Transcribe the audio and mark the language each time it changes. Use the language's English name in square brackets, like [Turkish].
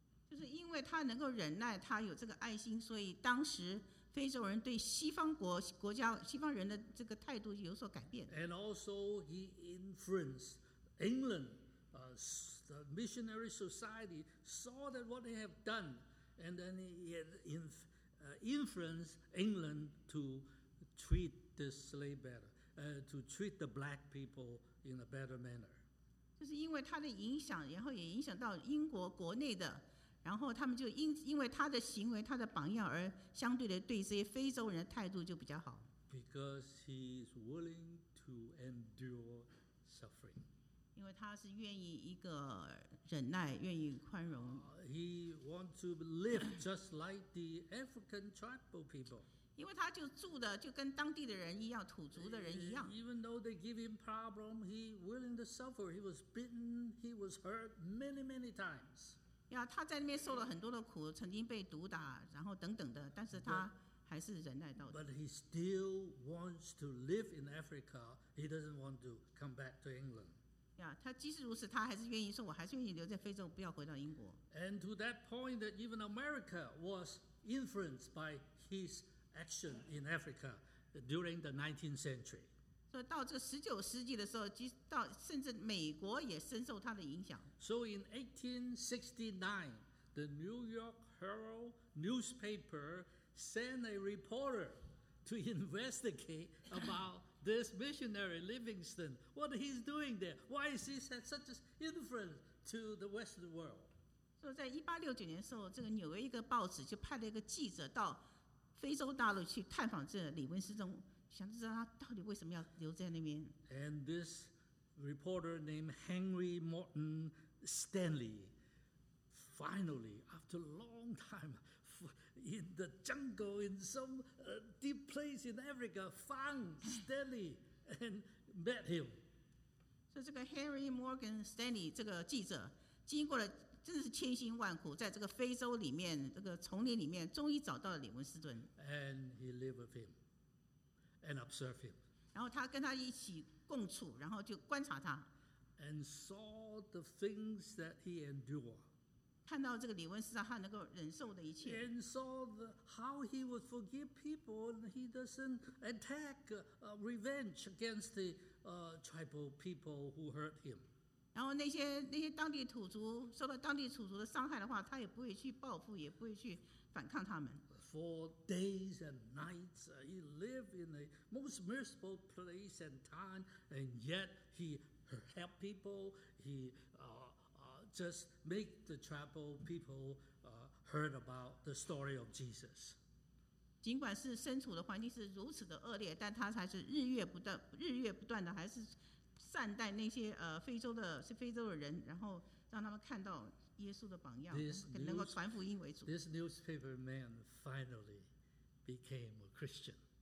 [Chinese] 就是因为他能够忍耐，他有这个爱心，所以当时非洲人对西方国家、西方人的这个态度有所改变。 [English] And also he influenced England, the missionary society saw that what they have done, and then he influenced England to treat the slave better, to treat the black people in a better manner. [Chinese] 就是因为他的影响，然后也影响到英国国内的。然后他们就 因为他的行为他的榜样而相对的对这些非洲人的态度就比较好 [English] because he is willing to endure suffering [Chinese] 因为他是愿意一个忍耐愿意宽容 [English] he wants to live just like the African tribal people [Chinese] 因为他就住的就跟当地的人一样土族的人一样 [English] even though they give him problem he willing to suffer he was bitten he was hurt many many times [Chinese] Yeah, 他在那边受了很多的苦，曾经被毒打，然后等等的，但是他还是忍耐到底。 [English] But he still wants to live in Africa. He doesn't want to come back to England. [Chinese] Yeah, 他即使如此，他还是愿意说，我还是愿意留在非洲，不要回到英国。 [English] And to that point, that even America was influenced by his action in Africa during the 19th century. [Chinese] 所以到这十九世纪的时候，甚至美国也深受他的影响。 [English] So in 1869, the New York Herald newspaper sent a reporter to investigate about this missionary Livingston. What he's doing there? Why is he had such an influence to the Western world? So in [Chinese] 1869年的时候，这个纽约一个报纸就派了一个记者到非洲大陆去探访这李文斯中，想知道他到底为什么要留在那边。 [English] And this reporter named Henry Morton. Stanley, finally, after a long time in the jungle, in some deep place in Africa, found Stanley and met him. So, this Henry Morgan Stanley, this [Chinese] 记者，经过了真的是千辛万苦，在这个非洲里面，这个丛林里面，终于找到了李文斯顿。 [English] And he lived with him and observed him. [Chinese] 然后他跟他一起共处，然后就观察他。 [English] And saw the things that he endured. [Chinese] 看到这个李文斯他能够忍受的一切。 [English] And saw the how he would forgive people, and he doesn't attack revenge against the tribal people who hurt him. [Chinese] 然后那些当地土族受到当地土族的伤害的话，他也不会去报复，也不会去反抗他们。 [English] For days and nights, he lived in the most miserable place and time, and yet he. Help people. He just make the tribal people heard about the story of Jesus. [Chinese] 尽管是身处的环境是如此的恶劣，但他还是日月不断的，还是善待那些非洲的人，然后让他们看到耶稣的榜样，能够传福音为主。 [English] This newspaper man finally became a Christian.